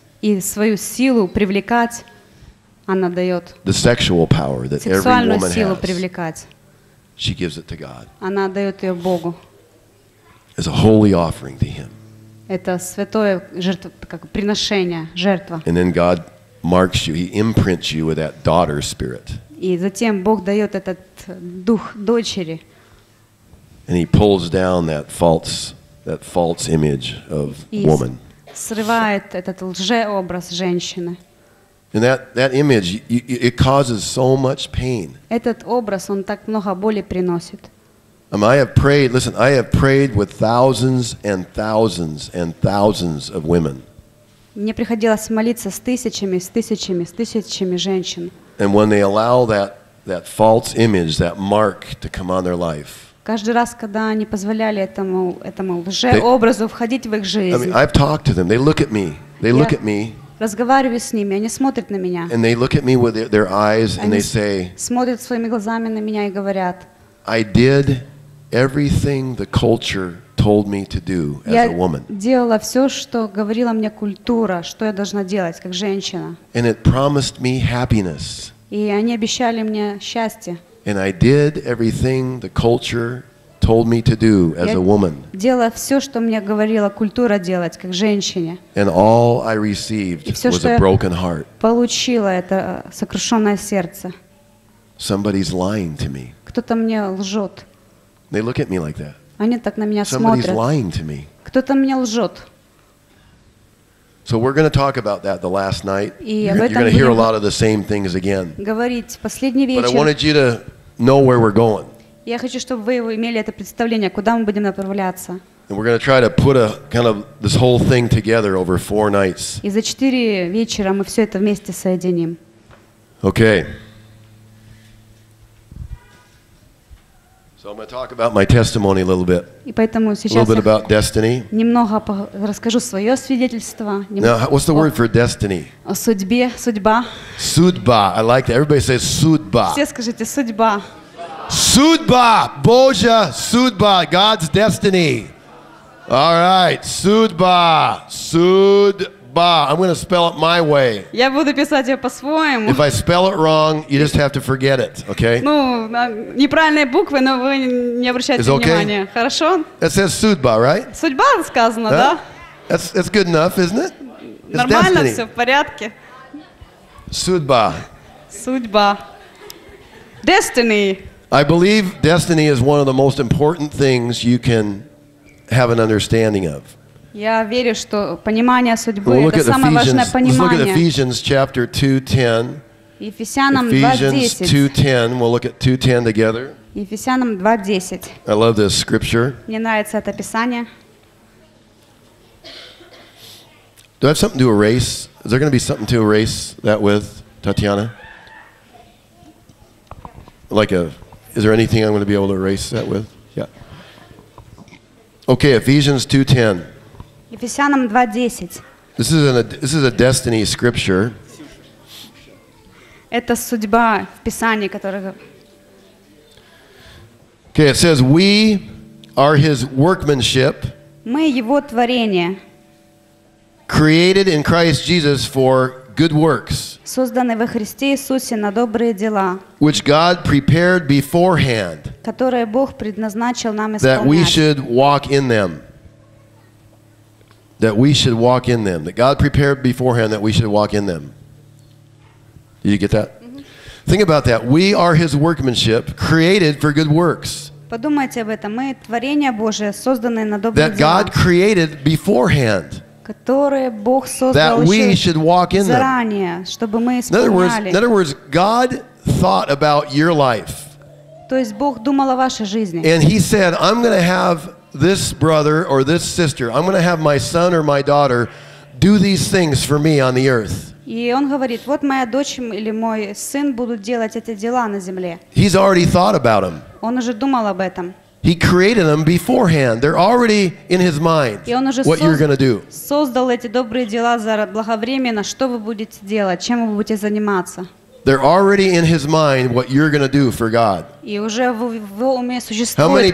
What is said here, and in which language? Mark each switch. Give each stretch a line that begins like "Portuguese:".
Russian: И свою силу привлекать она дает.
English: The sexual power that every woman has.
Russian: Сексуальную силу привлекать.
English: She gives it to God.
Russian: Она дает ее Богу.
English: As a holy offering to Him.
Russian: Это святое жертв, как приношение, жертва.
English: And then God marks you; He imprints you with that daughter spirit.
Russian: И затем Бог дает этот дух дочери.
English: And He pulls down that false image of woman.
Russian: Срывает этот лжеобраз женщины.
English: And that image it causes so much pain.
Russian: Этот образ он так много боли приносит.
English: I have prayed with thousands and thousands and thousands of women.
Russian: Мне приходилось молиться с тысячами, с тысячами, с тысячами женщин.
English: And when they allow that false image, that mark to come on their life.
Russian: Каждый раз, когда они позволяли этому лжеобразу входить в их жизнь.
English: I mean, I've talked to them. They look at me. They look at me.
Russian: Разговариваю с ними, они смотрят на меня.
English: And they look at me with their eyes and they say.
Russian: Смотрят своими глазами на меня и говорят.
English: I did everything the culture told me to do as a woman.
Russian: Я делала все, что говорила мне культура, что я должна делать как женщина.
English: And it promised me happiness.
Russian: И они обещали мне счастье.
English: And I did everything the culture told me to do as a woman.
Russian: Я делала все, что мне говорила культура делать как женщине.
English: And all I received was a broken heart.
Russian: Получила это сокрушенное сердце.
English: Somebody's lying to me.
Russian: Кто-то мне лжет.
English: They look at me like that.
Russian: Они так на меня
English: Somebody's
Russian: смотрят.
English: Lying to me.
Russian: Кто-то мне лжет.
English: So we're going to talk about that the last night.
Russian: И
English: you're going to hear a lot of the same things again.
Russian: Говорить последний вечер.
English: But I wanted you to know where we're going.
Russian: Я хочу, чтобы вы имели это представление, куда мы будем направляться.
English: And we're going to try to put a kind of this whole thing together over four nights. И за четыре вечера мы все это вместе соединим. Okay. So I'm going to talk about my testimony a little bit.
Russian: И поэтому сейчас
English: a little bit about destiny.
Russian: Немного расскажу свое свидетельство.
English: Now, what's the word for destiny?
Russian: О судьбе, судьба.
English: Судьба. I like that. Everybody says судьба.
Russian: Все скажите судьба. Судьба, Божья судьба,
English: God's destiny. All right, судьба, судьба. I'm going to spell it my way.
Russian: Я буду писать ее по-своему.
English: If I spell it wrong, you just have to forget it, okay?
Russian: Ну, неправильные буквы, но вы не обращайте внимания. Хорошо?
English: It says судьба, right?
Russian: Судьба сказано, да?
English: That's good enough, isn't it?
Russian: Нормально, все в порядке. Судьба. Судьба. Destiny.
English: I believe destiny is one of the most important things you can have an understanding of.
Russian: Я верю, что понимание судьбы это самое важное понимание.
English: Look at Ephesians chapter 2:10.
Russian: Ефесянам
English: 2:10. Ephesians 2:10. We'll look at 2:10 together.
Russian: Ефесянам 2:10.
English: I love this scripture.
Russian: Мне нравится это писание.
English: Do I have something to erase? Is there going to be something to erase that with, Татьяна? Like a Is there anything I'm going to be able to erase that with? Yeah. Okay, Ephesians 2:10.
Russian: Ефесянам 2:10.
English: This is a destiny scripture.
Russian: Это судьба в Писании, которое.
English: Okay, it says we are His workmanship.
Russian: Мы Его творение.
English: Created in Christ Jesus for good works.
Russian: Созданы во Христе Иисусе на добрые дела.
English: Which God prepared beforehand.
Russian: Которые Бог предназначил нам исполнять.
English: That we should walk in them. That we should walk in them. That God prepared beforehand that we should walk in them. Did you get that? Mm-hmm. Think about that. We are His workmanship, created for good works.
Russian: Подумайте об этом. Мы творение Божие, созданное на добрые
English: дела. That God created beforehand.
Russian: Которые Бог создал еще заранее, чтобы мы исполняли.
English: In other words, God thought about your life.
Russian: То есть Бог думал о вашей жизни.
English: And He said, I'm going to have this brother or this sister, I'm going to have my son or my daughter do these things for me on the earth.
Russian: И Он говорит, вот моя дочь или мой сын будут делать эти дела на земле.
English: He's already thought about them.
Russian: Он уже думал об этом.
English: He created them beforehand. They're already in His mind what you're going to do.
Russian: Создал эти добрые дела заблаговременно. Что вы будете делать? Чем вы будете заниматься?
English: They're already in His mind what you're going to do for God.
Russian: И уже в его уме существует